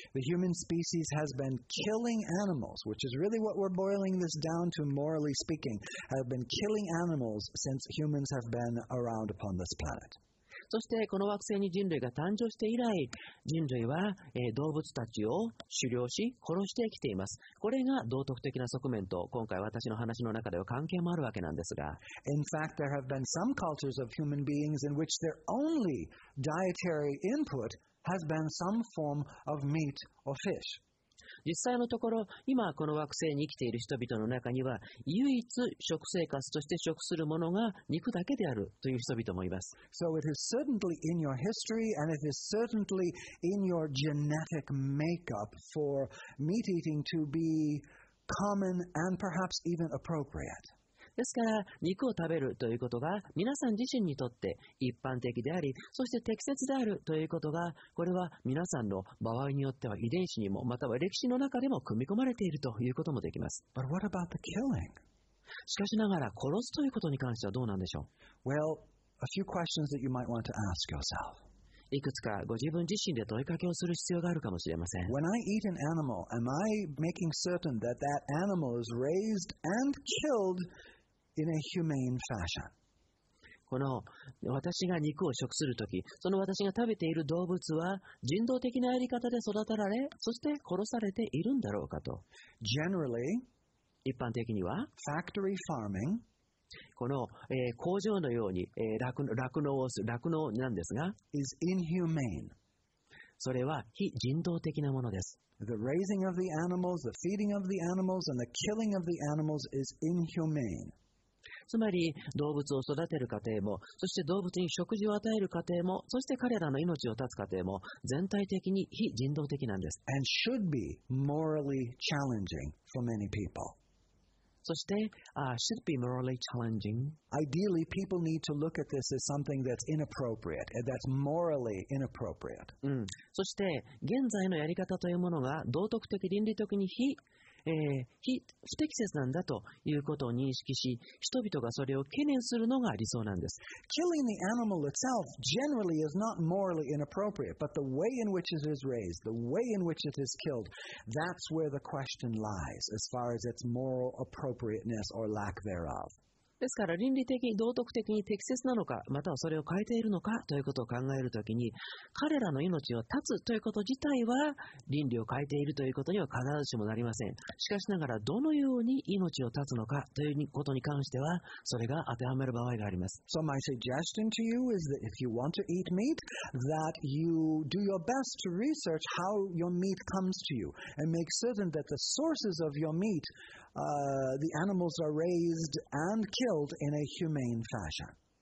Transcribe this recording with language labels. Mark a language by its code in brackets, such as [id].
[en] The human species has been killing animals, which is really what we're boiling this down to morally speaking, have been killing animals since humans have been around upon this planet. [ja] そしてこの惑星に人類が誕生して以来、人類は動物たちを狩猟し、殺してきています。これが道徳的な側面と、今回私の話の中では関係もあるわけなんですが。 [en] In fact, there have been some cultures of human beings in which their only dietary input has been some form of meat or fish. [ja] 実際のところ、今この惑星に生きている人々の中には、唯一食生活として食するものが肉だけであるという人々もいます。 [en] So it is certainly in your history and it is certainly in your genetic makeup for meat eating to be common and perhaps even appropriate. [ja] ですから肉を食べるということが皆さん自身にとって一般的であり、そして適切であるということが、これは皆さんの場合によっては遺伝子にもまたは歴史の中でも組み込まれているということもできます。 [en] But what about the killing? [ja] しかしながら殺すということに関してはどうなんでしょう。 [en] Well, a few questions that you might want to ask yourself. [ja] いくつかご自分自身で問いかけをする必要があるかもしれません。 [en] When I eat an animal, am I making certain that that animal is raised and killed in a humane fashion? [ja] この私が肉を食するとき、その私が食べている動物は人道的なやり方で育てられ、そして殺されているんだろうかと。 [en] Generally, [ja] 一般的には [en] factory farming、 [ja] この、工場のように、酪農をする酪農なんですが、 [en] is inhumane. [ja] それは非人道的なものです。 [en] The raising of the animals, the feeding of the animals, and the killing of the animals is inhumane. [ja] つまり動物を育てる過程も、そして動物に食事を与える過程も、そして彼らの命を絶つ過程も、全体的に非人道的なんです。 [en] And should be morally challenging for many people. [ja] そして、 [en] should be morally challenging. Ideally, people need to look at this as something that's inappropriate, that's morally inappropriate.、 [ja] うん、そして、現在のやり方というものが道徳的、倫理的に非不適切なんだということを認識し、人々がそれを懸念するのが理想なんです。 [en] Killing the animal itself generally is not morally inappropriate, but the way in which it is raised, the way in which it is killed, that's where the question lies, as far as its moral appropriateness or lack thereof. [ja] ですから倫理的、道徳的に適切なのか、またはそれを変えているのかということを考えるときに、彼らの命を絶つということ自体は倫理を変えているということには必ずしもなりません。しかしながら、どのように命を絶つのかということに関しては、それが当てはめる場合があります。 [en] So my suggestion to you is that if you want to eat meat, that you do your best to research how your meat comes to you and make certain that the sources of your meat,the animals are raised and killed in a humane fashion.